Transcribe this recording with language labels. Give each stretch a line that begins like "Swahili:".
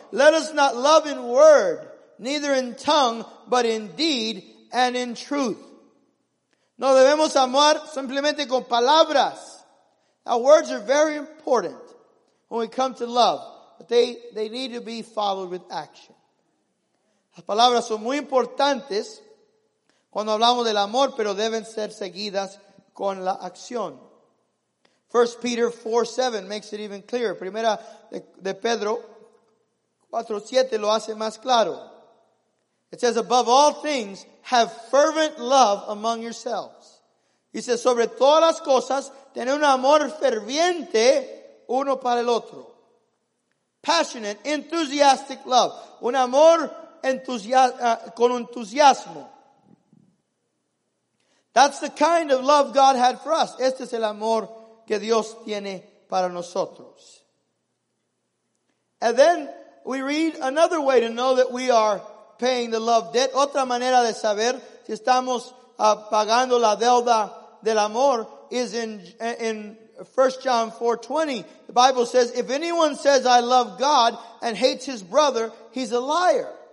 English: Let us not love in word, neither in tongue, but in deed and in truth.
Spanish: No debemos amar simplemente con palabras.
English: Now words are very important when we come to love. But they need to be followed with action.
Spanish: Las palabras son muy importantes cuando hablamos del amor, pero deben ser seguidas con la acción.
English: 1 Peter 4:7 makes it even clearer.
Spanish: Primera de Pedro 4:7 lo hace más claro.
English: It says, above all things, have fervent love among yourselves. He says,
Spanish: sobre todas las cosas, tener un amor ferviente uno para el otro.
English: Passionate, enthusiastic love.
Spanish: Un amor con entusiasmo.
English: That's the kind of love God had for us.
Spanish: Este es el amor que Dios tiene para nosotros.
English: And then we read another way to know that we are paying the love debt.
Spanish: Otra manera de saber si estamos pagando la deuda del amor
English: is in 1 John 4:20. The Bible says, if anyone says, I love God and hates his brother, he's a liar.